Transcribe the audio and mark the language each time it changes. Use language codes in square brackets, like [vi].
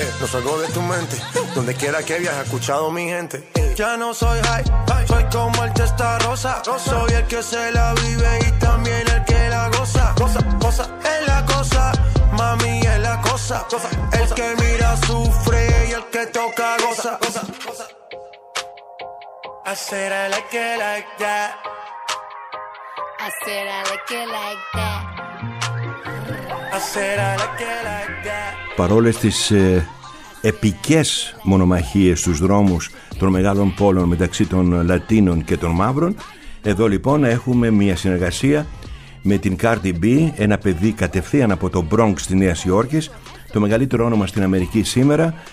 [es] No salgo de tu mente, donde quiera que viaje, he escuchado a mi gente. Ya no soy high, soy como el Testa Rosa. Soy el que se la vive y también el que la goza. Goza, goza, es la cosa, mami, es la cosa. El que mira sufre y el que toca goza. [en] I said I like it like that. I said I like it like that. [el] Παρόλες τις επικές μονομαχίες στους δρόμους των μεγάλων πόλων μεταξύ των Λατίνων και των Μαύρων, εδώ λοιπόν έχουμε μια συνεργασία με την Cardi B, ένα παιδί κατευθείαν από το Bronx της Νέας Υόρκης, το μεγαλύτερο όνομα στην Αμερική σήμερα.